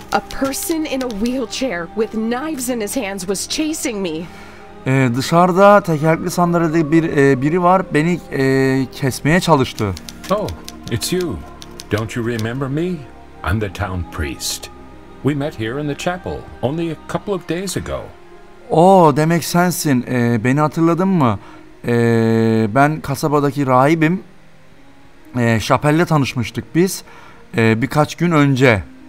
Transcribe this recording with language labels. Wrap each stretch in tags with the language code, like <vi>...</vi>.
<en>A person in a wheelchair with knives in his hands was chasing me.</en> <tr>Dışarıda tekerlekli sandalyede biri var. Beni kesmeye çalıştı.</tr> <en>Oh, it's you. Don't you remember me? I'm the town priest. We met here in the chapel only a couple of days ago.</en> <tr>Oh, demek sensin. Beni hatırladın mı? Ben kasabadaki rahibim. Şapelle tanışmıştık biz birkaç gün önce.</tr>